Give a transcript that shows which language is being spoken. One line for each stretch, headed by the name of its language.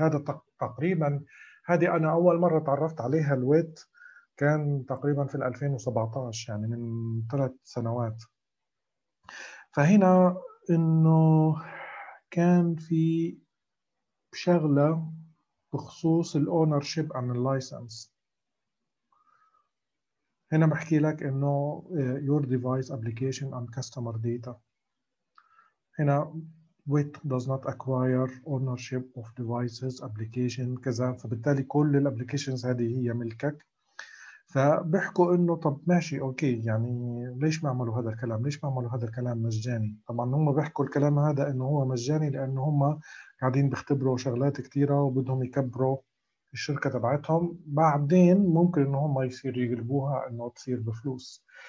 Arabic: هذا تقريباً، هذه أنا أول مرة تعرفت عليها الويت كان تقريباً في 2017، يعني من 3 سنوات. فهنا إنه كان في شغلة بخصوص الـ
English: ownership and the license.
Arabic: هنا بحكي لك إنه
English: your device application and customer data. هنا WIT does not acquire ownership of devices application كذا.
Arabic: فبالتالي كل الـ applications هذه هي ملكك. فبحكوا إنه طب ماشي أوكي، يعني ليش ما عملوا هذا الكلام؟ ليش ما عملوا هذا الكلام مجاني؟ طبعاً هم بحكوا الكلام هذا إنه هو مجاني لأنه هم قاعدين بيختبروا شغلات كتيرة وبدهم يكبروا الشركة تبعتهم، بعدين ممكن إن هم يصير يقلبوها إنه تصير بفلوس.